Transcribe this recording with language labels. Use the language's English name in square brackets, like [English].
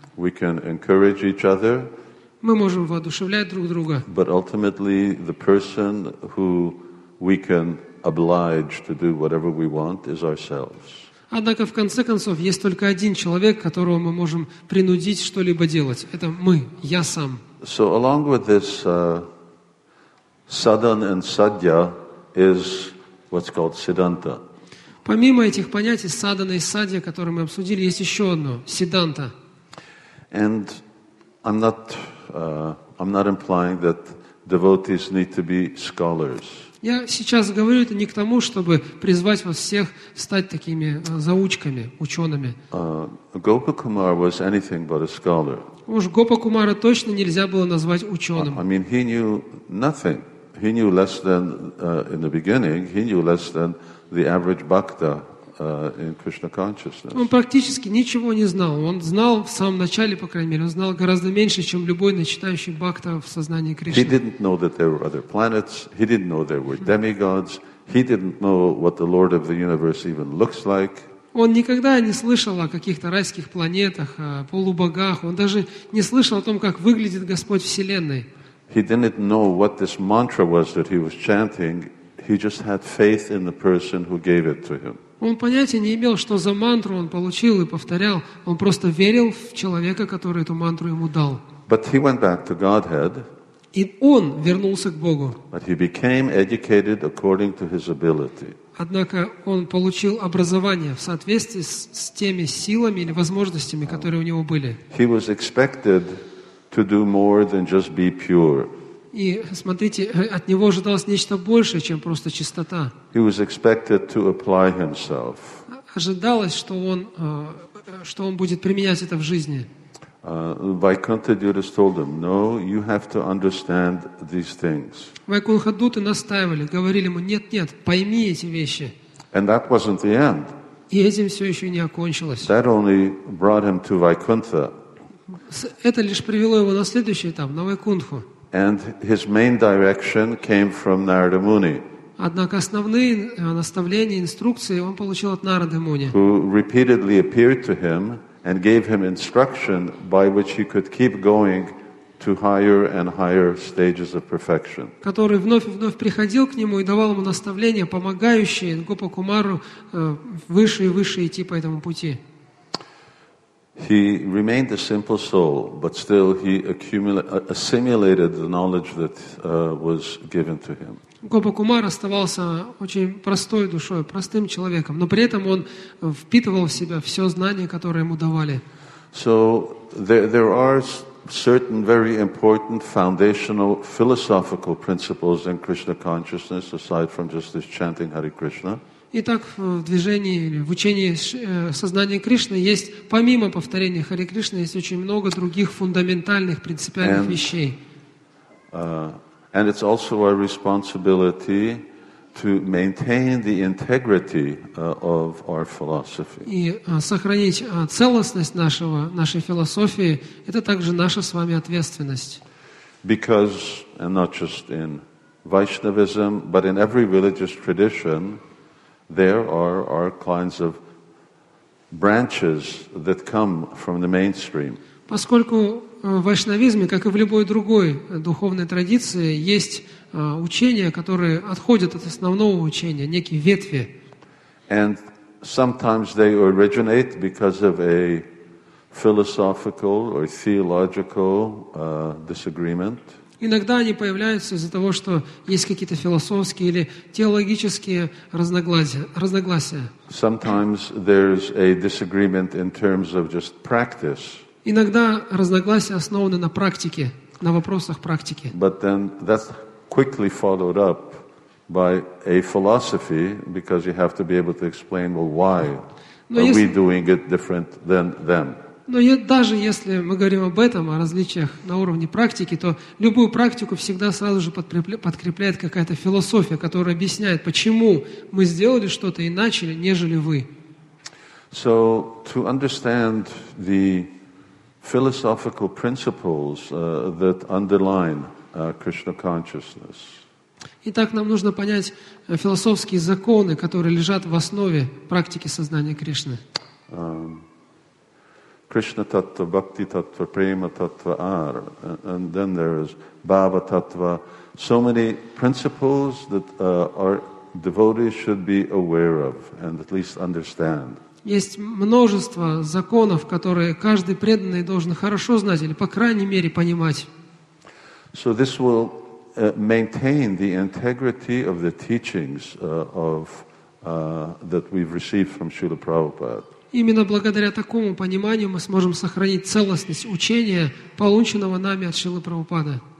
[English] We can encourage each other, [Russian] мы можем воодушевлять друг друга. [English] But ultimately the person who we can oblige to do whatever we want is ourselves. [Russian] Однако, в конце концов, есть только один человек, которого мы можем принудить что-либо делать. Это мы, я сам. [English] So along with this sadhana and sadhya is what's called siddhanta. [Russian] Помимо этих понятий sadhana и sadhya, которые мы обсудили, есть еще одно, siddhanta. [English] And I'm not implying that devotees need to be scholars. [Russian] Я сейчас говорю это не к тому, чтобы призвать вас всех стать такими заучками, учеными. [English] Gopa Kumar was anything but a scholar. [Russian] Уж Гопа Кумара точно нельзя было назвать ученым. [English] I mean, he knew nothing. He knew less than, in the beginning, he knew less than the average bhakta. in Krishna consciousness. [Russian] Он практически ничего не знал. Он знал в самом начале, по крайней мере, он знал гораздо меньше, чем любой начинающий бхакта в сознании Кришны. [English] He didn't know that there were other planets. He didn't know there were demigods. He didn't know what the Lord of the universe even looks like. [Russian] Он никогда не слышал о каких-то райских планетах, о полубогах. Он даже не слышал о том, как выглядит Господь Вселенной. [English] He didn't know what this mantra was that he was chanting. He just had faith in the person who gave it to him. [Russian] Он понятия не имел, что за мантру он получил и повторял. Он просто верил в человека, который эту мантру ему дал. [English] But he went back to Godhead. [Russian] И он вернулся к Богу. [English] But he became educated according to his ability. [Russian] Однако он получил образование в соответствии с теми силами или возможностями, которые у него были. [English] He was expected to do more than just be pure. [Russian] И смотрите, от него ожидалось нечто большее, чем просто чистота. [English] He was expected to apply himself. [Russian] Ожидалось, что он будет применять это в жизни. [English] Vaikuntha Duta told him, "No, you have to understand these things." [Russian] Vaikuntha Duta настаивали, говорили ему: "Нет, нет, пойми эти вещи." [English] And that wasn't the end. [Russian] И этим все еще не окончилось. [English] That only brought him to Vaikuntha. [Russian] Это лишь привело его на следующий этап, на Вайкунтху. [English] And his main direction came from Narada Muni. [Russian] Однако основные наставления, инструкции он получил от Нарады Муни. [English] Who repeatedly appeared to him and gave him instruction by which he could keep going to higher and higher stages of perfection. [Russian] Который вновь и вновь приходил к нему и давал ему наставления, помогающие Гопа Кумару выше и выше идти по этому пути. [English] He remained a simple soul, but still he assimilated the knowledge that was given to him. [Russian] Гопа Кумар оставался очень простой душой, простым человеком, но при этом он впитывал в себя все знания, которые ему давали. [English] So there are certain very important foundational philosophical principles in Krishna consciousness aside from just this chanting Hare Krishna. [Russian] Итак, в движении, в учении сознания Кришны есть, помимо повторения Харе Кришны, есть очень много других фундаментальных, принципиальных вещей. [English] And it's also our responsibility to maintain the integrity of our philosophy. [Russian] И сохранить целостность нашей философии – это также наша с вами ответственность. [English] Because, and not just in Vaishnavism, but in every religious tradition, there are kinds of branches that come from the mainstream. [Russian] Поскольку в вайшнавизме, как и в любой другой духовной традиции, есть учения, которые отходят от основного учения, некие ветви. [English] And sometimes they originate because of a philosophical or theological disagreement. [Russian] Иногда они появляются из-за того, что есть какие-то философские или теологические разногласия. [English] Sometimes there's a disagreement in terms of just practice. [Russian] Иногда разногласия основаны на практике, на вопросах практики. [English] But then that's quickly followed up by a philosophy, because you have to be able to explain, well, why are we doing it different than them? [Russian] Но даже если мы говорим об этом, о различиях на уровне практики, то любую практику всегда сразу же подкрепляет какая-то философия, которая объясняет, почему мы сделали что-то иначе, нежели вы. [English] So, to understand the philosophical principles that underline Krishna consciousness. [Russian] Итак, нам нужно понять философские законы, которые лежат в основе практики сознания Кришны. [English] Krishna tattva, bhakti tattva, prema tattva are, and then there is bhava tattva. So many principles that our devotees should be aware of and at least understand. [Russian] Есть множество законов, которые каждый преданный должен хорошо знать или по крайней мере понимать. [English] So this will maintain the integrity of the teachings that we've received from Srila Prabhupada. [Russian] Именно благодаря такому пониманию мы сможем сохранить целостность учения, полученного нами от Шрилы Прабхупады.